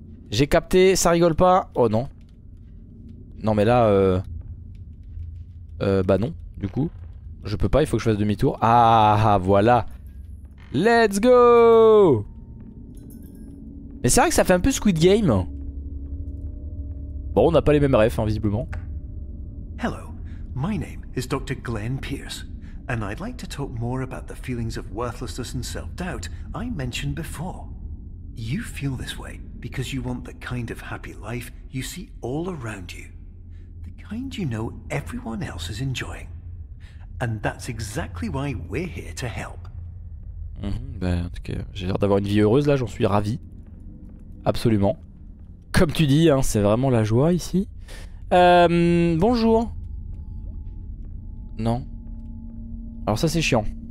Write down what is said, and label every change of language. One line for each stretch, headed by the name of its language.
French: J'ai capté, ça rigole pas. Oh non. Non mais là bah non, du coup. Je peux pas, il faut que je fasse demi-tour. Ah, voilà.
English: Let's go.
French: Mais c'est vrai que ça fait un peu Squid Game. Bon, on n'a pas les mêmes refs, hein, visiblement.
English: Hello, my name is Dr. Glenn Pierce, and I'd like to talk more about the feelings of worthlessness and self-doubt I mentioned before. You feel this way because you want the kind of happy life you see all around you, the kind you know everyone else is enjoying. And that's exactly why we're here to help.
French: Ben, en tout cas, j'ai l'air d'avoir une vie heureuse là, j'en suis ravi. Absolument. Comme tu dis, hein, c'est vraiment la joie ici. Bonjour. Non. Alors ça c'est chiant.